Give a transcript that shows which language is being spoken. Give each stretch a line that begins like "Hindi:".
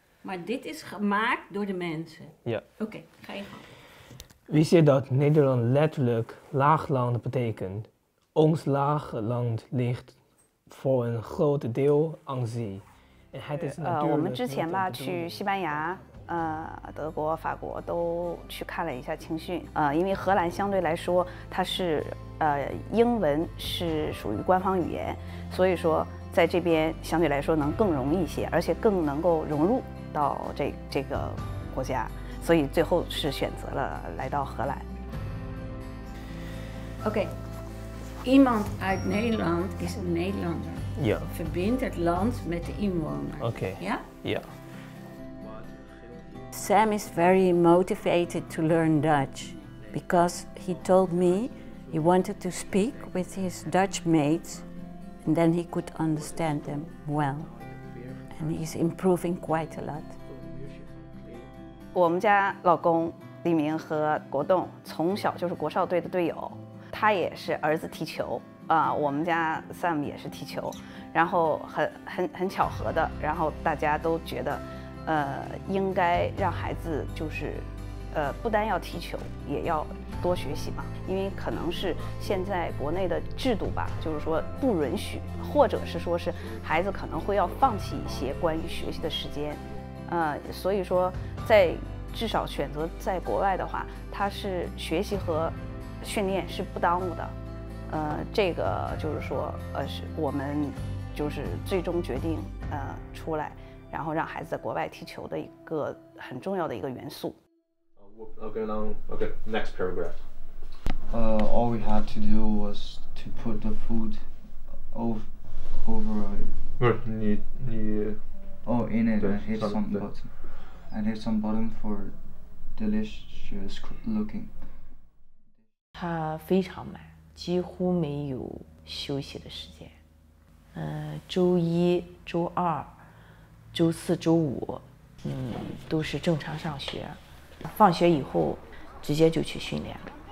Dutch: Maar dit is gemaakt door de mensen. Ja. Oké, ga je gang. Wist je dat Nederland letterlijk laagland betekent? Ons laagland ligt voor een groot deel aan zee.
Chinese: 我们之前吧去西班牙、德国、法国都去看了一下青训。因为荷兰相对来说它是英文是属于官方语言，所以说在这边相对来说能更容易一些，而且更能够融入到这个国家，所以最后是选择了来到荷兰。
Dutch: OK， iemand uit Nederland is een Nederlander. Ja. Verbindt het land met de inwoner. OK. Ja. Ja.
English: Sam is very motivated to learn Dutch because he told me he wanted to speak with his Dutch mates and then he could understand them well. And he's improving quite a lot.
Chinese: 我们家老公李明和国栋从小就是国少队的队友。他也是儿子踢球啊、我们家 Sam 也是踢球，然后很巧合的，然后大家都觉得，应该让孩子就是，不单要踢球，也要多学习嘛，因为可能是现在国内的制度吧，就是说不允许，或者是说是孩子可能会要放弃一些关于学习的时间，所以说在至少选择在国外的话，他是学习和训练是不耽误的，这个就是说，是我们就是最终决定，出来，然后让孩子在国外踢球的一个很重要的一个元素。
English: Okay, next paragraph. All we had to do was to put the food over.
Chinese: 不是你。
English: Oh, in it and hit some button, and hit some button for delicious looking.
Chinese: 他非常忙，几乎没有休息的时间。周一、周二、周四、周五，都是正常上学。放学以后，直接就去训练了。